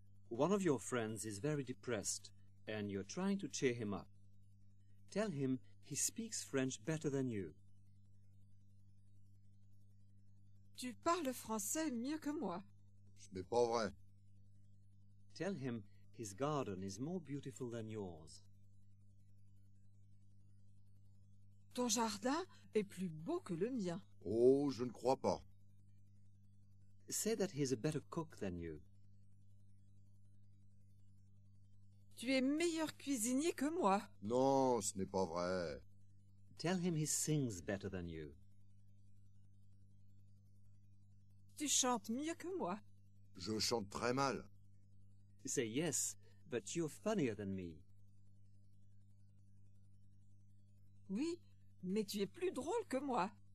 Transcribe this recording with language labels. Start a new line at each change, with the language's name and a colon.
English: One of your friends is very depressed and you're trying to cheer him up. Tell him he speaks French better than you.
French: Tu parles français mieux que moi. Ce n'est pas vrai.
English: Tell him his garden is more beautiful than yours.
French: Ton jardin est plus beau que le mien. Oh, je ne crois pas.
English: Say that he's a better cook than you.
French: Tu es meilleur cuisinier que moi. Non, ce n'est pas vrai.
English: Tell him he sings better than you.
French: Tu chantes mieux que moi. Je chante très mal.
English: Say yes, but you're funnier than me.
French: Oui, mais tu es plus drôle que moi.